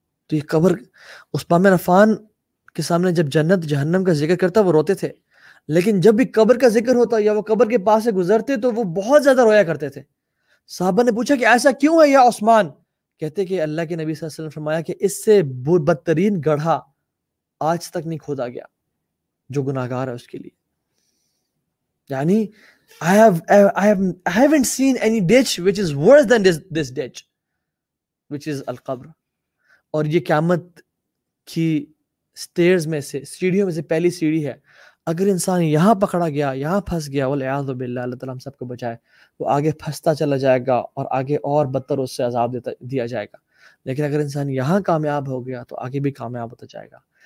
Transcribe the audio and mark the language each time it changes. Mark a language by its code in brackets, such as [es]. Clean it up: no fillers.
[hi] तो ये कब्र, उस पामन अफान के सामने जब जन्नत जहन्नम का जिक्र करता वो रोते थे, लेकिन जब भी कब्र का जिक्र होता या वो कब्र के पास से गुजरते तो वो बहुत ज्यादा रोया करते थे। साहबा ने पूछा कि ऐसा क्यों है या उस्मान? कहते कि अल्लाह के नबी सल्लल्लाहु अलैहि वसल्लम फरमाया कि इससे बदतरीन गढ़ा आज तक नहीं खोदा गया जो गुनाहगार है उसके लिए। [en] यानी I haven't seen any ditch which is worse than this ditch which is al-qabr। [hi] और ये क़यामत की स्टेयर्स में से, सीढ़ियों में से पहली सीढ़ी है। अगर इंसान यहाँ पकड़ा गया, यहाँ फंस गया, वल्याज़ु बिल्लाह, अल्लाह ताला हम सबको बचाए, वो आगे फंसता चला जाएगा और आगे और बदतर उससे अजाब दिया जाएगा। लेकिन अगर इंसान यहाँ कामयाब हो गया तो आगे भी कामयाब होता जाएगा।